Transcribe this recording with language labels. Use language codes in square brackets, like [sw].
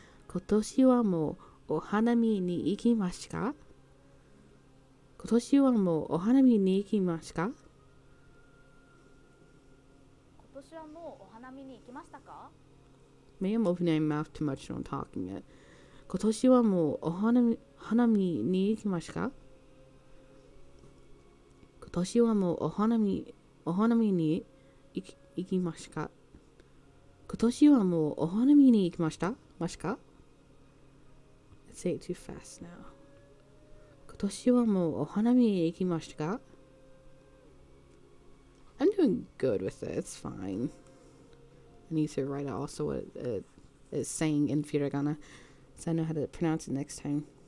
[ja] 今年はもうお花見に行きますか？今年はもうお花見に行きますか？今年はもうお花見に行きましたか？ [en] Maybe I'm opening my mouth too much when I'm talking it. [ja] 今年はもうお花見に行きますか？今年はもうお花見に行きますか？今年はもうお花見に行きました？ましか？ [en] Let's say it too fast now. [ja] 今年はもうお花見に行きましたか？ [en] I'm doing good with it. It's fine. Need to write out also what it is saying in furigana so I know how to pronounce it next time.